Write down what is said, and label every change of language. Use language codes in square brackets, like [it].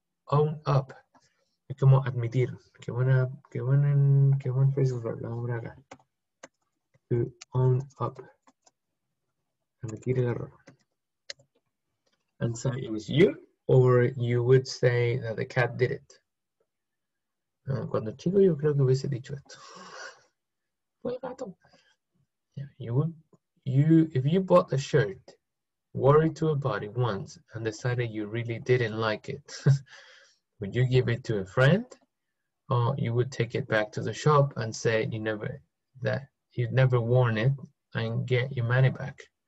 [es] Own up. ¿Cómo admitir? ¿Qué buen phrasal verb? Lo vamos a ver acá. To own up. Admitir el error. [en] And say it was you, or you would say that the cat did it. [es] Cuando chico yo creo que hubiese dicho esto. [en] Yeah, if you bought a shirt, wore it to a party once, and decided you really didn't like it, would you give it to a friend, or you would take it back to the shop and say you'd never worn it and get your money back?